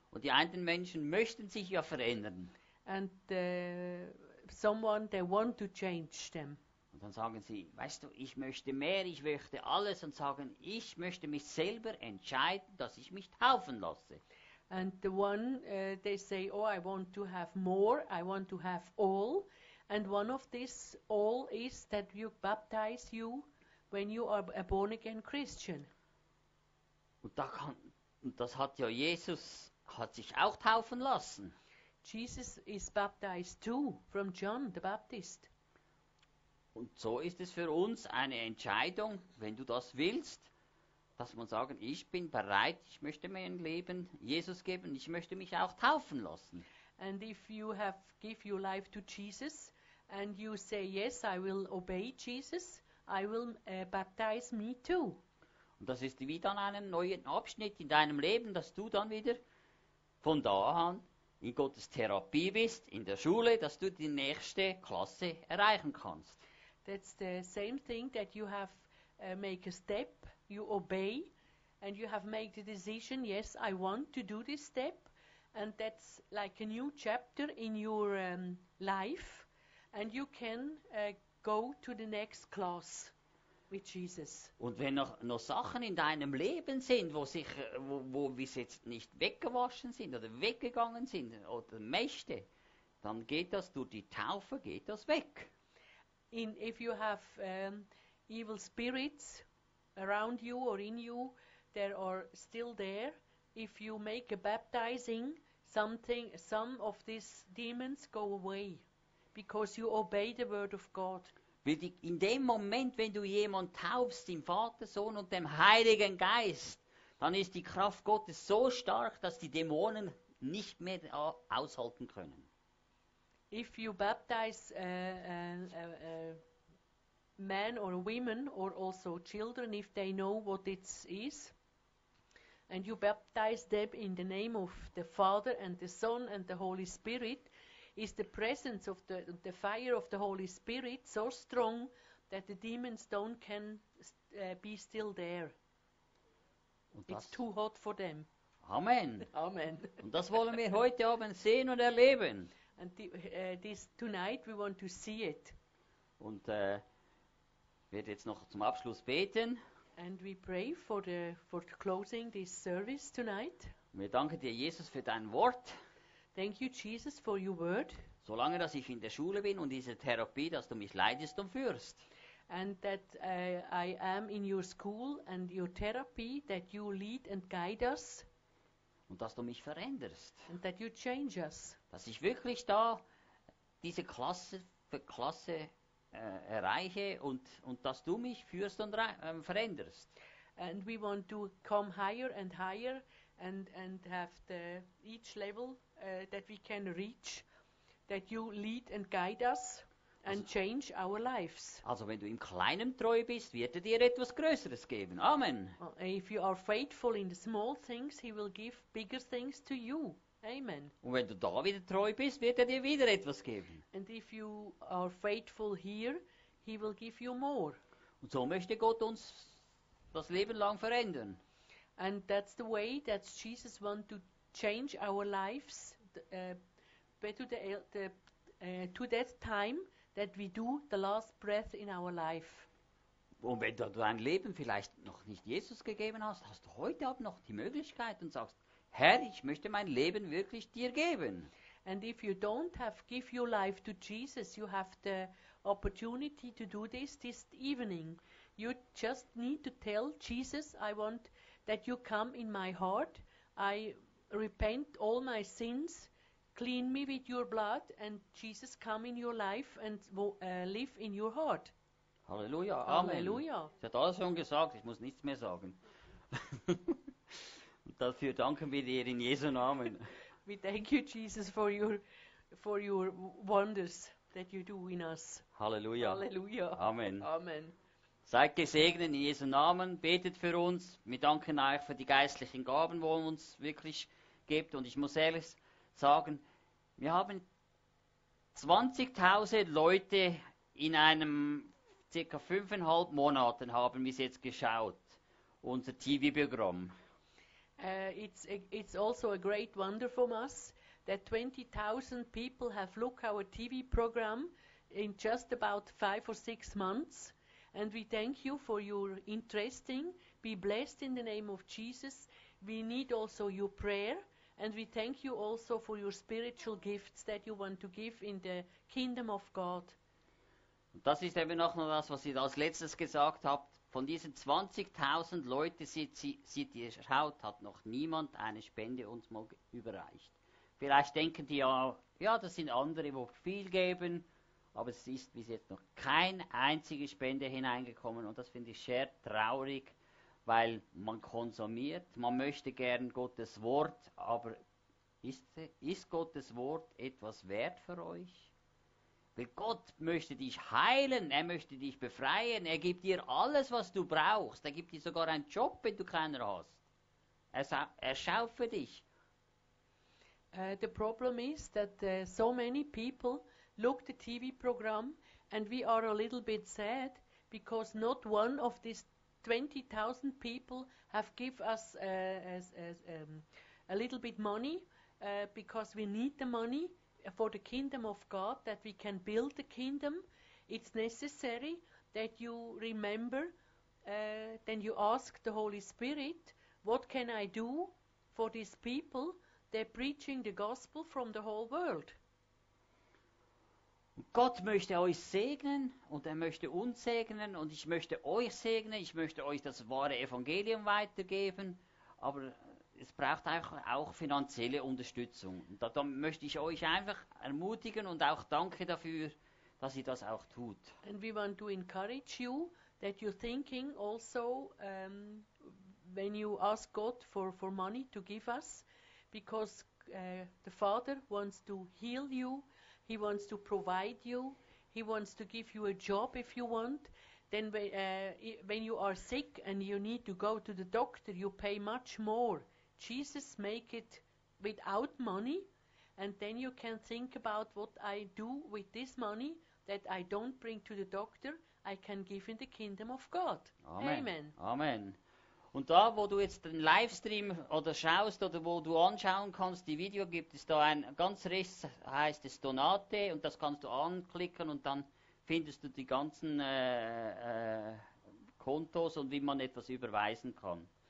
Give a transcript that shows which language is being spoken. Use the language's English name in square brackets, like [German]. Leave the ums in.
[German] Und die einen Menschen möchten sich ja verändern. [English] And uh, someone they want to change them. [German] Und dann sagen sie, weißt du, ich möchte mehr, ich möchte alles und sagen, ich möchte mich selber entscheiden, dass ich mich taufen lasse. [English] And the one uh, they say, oh, I want to have more, I want to have all. And one of this all is that you baptize you when you are a born again Christian. [German] Und da kann, und das hat ja Jesus hat sich auch taufen lassen. [English] Jesus is baptized too [German] von [English] John the Baptist. [German] Und so ist es für uns eine Entscheidung, wenn du das willst. Dass man sagen, ich bin bereit, ich möchte mein Leben Jesus geben, ich möchte mich auch taufen lassen. [English] and if you have give your life to Jesus and you say yes I will obey Jesus I will uh, baptize me too [German] und das ist wie dann einen neuen Abschnitt in deinem Leben dass du dann wieder von da an in Gottes Therapie bist in der Schule dass du die nächste Klasse erreichen kannst [English] that's the same thing that you have uh, make a step you obey and you have made the decision yes I want to do this step and that's like a new chapter in your um, life, and you can uh, go to the next class. With Jesus. [German] Und wenn noch, noch Sachen in deinem Leben sind, wo sich, wo, wo wir jetzt nicht weggewaschen sind oder weggegangen sind oder möchte, dann geht das durch die Taufe, geht das weg. [English] In if you have um, evil spirits around you or in you, they are still there if you make a baptizing, something, some of these demons go away, because you obey the word of God. [German] In dem Moment, wenn du jemand taufst, dem Vater, Sohn und dem Heiligen Geist, dann ist die Kraft Gottes so stark, dass die Dämonen nicht mehr aushalten können. [English] If you baptize a, uh, a uh, uh, man or a woman or also children, if they know what it is and you baptize them in the name of the Father and the Son and the Holy Spirit, is the presence of the, the fire of the Holy Spirit so strong that the demons don't can uh, be still there? [German] Und [English] it's too hot for them. Amen. Amen. [German] und das wollen wir heute Abend sehen [English] And the, uh, this tonight we want to see it. And uh, we'll [German] jetzt noch zum Abschluss beten. [English] And we pray for the, for closing this service tonight. [German] Und wir danken dir, Jesus, für dein Wort. [English] Thank you, Jesus, for your word. [German] Solange, dass ich in der Schule bin und diese Therapie, dass du mich leidest und führst. [English] And that uh, I am in your school and your therapy, that you lead and guide us. [German] Und dass du mich veränderst. [English] And that you change us. [German] Dass ich wirklich da diese Klasse für Klasse verändere. Uh, erreiche und, und dass du mich führst und äh, veränderst. [English] And we want to come higher and higher and, and have the, each level uh, that we can reach, that you lead and guide us also and also, change our lives. [German] Also wenn du im Kleinen treu bist, wird er dir etwas Größeres geben. Amen. [English] Well, if you are faithful in the small things, he will give bigger things to you. Amen. [German] Und wenn du da wieder treu bist, wird er dir wieder etwas geben. [English] And if you are faithful here, he will give you more. [German] Und so möchte Gott uns das Leben lang verändern. Und das ist [English] the way that Jesus wants to change our lives the, uh, to, the, the, uh, to that time that we do the last breath in [German] Und wenn du dein Leben vielleicht noch nicht Jesus gegeben hast, hast du heute Abend noch die Möglichkeit und sagst, Herr, ich möchte mein Leben wirklich dir geben. [English] And if you don't have give your life to Jesus, you have the opportunity to do this this evening. You just need to tell Jesus, I want that you come in my heart. I repent all my sins. Clean me with your blood and Jesus come in your life and wo, uh, live in your heart. [German] Halleluja. Amen. Halleluja. Sie hat alles schon gesagt, ich muss nichts mehr sagen. Dafür danken wir dir in Jesu Namen. [English] We thank you, Jesus, for your, for your wonders that you in us. [German] Halleluja. Halleluja. Amen. Amen. Seid gesegnet in Jesu Namen, betet für uns. Wir danken euch für die geistlichen Gaben, die uns wirklich gibt. Und ich muss ehrlich sagen, wir haben 20.000 Leute in einem circa fünfeinhalb Monaten, haben wir es jetzt geschaut, unser TV-Programm. [English] Uh, it's, a, it's also a great wonder from us that 20,000 people have looked our TV program in just about five or six months, and we thank you for your interesting. Be blessed in the name of Jesus. We need also your prayer, and we thank you also for your spiritual gifts that you want to give in the kingdom of God. [German] Und das ist eben auch noch mal was, was als letztes gesagt habt. Von diesen 20.000 Leuten, die ihr schaut, hat noch niemand eine Spende uns mal überreicht. Vielleicht denken die ja, ja, das sind andere, die viel geben, aber es ist bis jetzt noch keine einzige Spende hineingekommen und das finde ich sehr traurig, weil man konsumiert, man möchte gern Gottes Wort, aber ist, ist Gottes Wort etwas wert für euch? Weil Gott möchte dich heilen, er möchte dich befreien, er gibt dir alles, was du brauchst. Er gibt dir sogar einen Job, wenn du keiner hast. Er, scha schaut für dich. [English] Uh, the problem is that uh, so many people look the TV program and we are a little bit sad because not one of these 20,000 people have give us uh, as, as, um, a little bit money uh, because we need the money. [German] Für das Königreich [English] of [German] dass wir das Königreich bauen können, ist es [English] necessary [German] dass du dich uh, [English] then you ask the Holy Spirit, what can [German] ich für diese Menschen tun? [English] They're preaching the gospel from the whole world. [German] Gott möchte euch segnen und er möchte uns segnen und ich möchte euch segnen, ich möchte euch das wahre Evangelium weitergeben, aber es braucht einfach auch finanzielle Unterstützung. da, da möchte ich euch einfach ermutigen und auch danke dafür, dass ihr das auch tut. [English] And we want to encourage you that you're thinking also um, when you ask God for, for money to give us, because uh, the Father wants to heal you, he wants to provide you, he wants to give you a job if you want. Then, we, uh, i- when you are sick and you need to go to the doctor, you pay much more Jesus make it without money, and then you can think about what I do with this money that I don't bring to the doctor, I can give in the kingdom of God. Amen. Amen. Amen. [German] Und da, wo du jetzt den Livestream oder schaust oder wo du anschauen kannst, die Video gibt es da ein ganz Riss, heißt es Donate und das kannst du anklicken und dann findest du die ganzen äh, äh, Kontos und wie man etwas überweisen kann